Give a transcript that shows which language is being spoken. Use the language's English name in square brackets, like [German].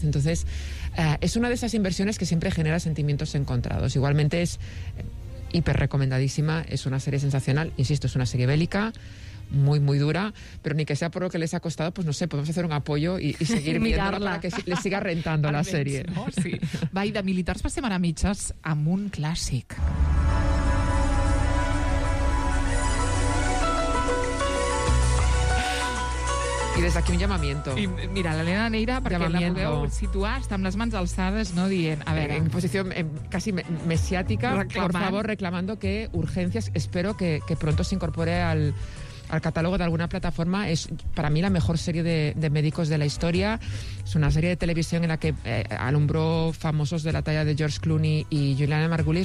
[Spanish] Entonces, es una de esas inversiones que siempre genera sentimientos encontrados. Igualmente es hiper recomendadísima, es una serie sensacional, insisto, es una serie bélica, muy, muy dura, pero ni que sea por lo que les ha costado, pues no sé, podemos hacer un apoyo y seguir mirarla para que les siga rentando la serie. No? Sí. [Catalan] Va, i de militars passem ara mitges amb un clàssic. [Spanish] Y desde aquí un llamamiento. Y mira, la Elena Neira, porque llamamiento. [Catalan] La podeu situar, està amb les mans alçades, no dient... A veure... En posició casi mesiàtica, [Spanish] por favor, reclamando que urgencias, espero que pronto se incorpore al catálogo de alguna plataforma. Es para mí la mejor serie de médicos de la historia. Es una serie de televisión en la que alumbró famosos de la talla de George Clooney y Juliana Margulies.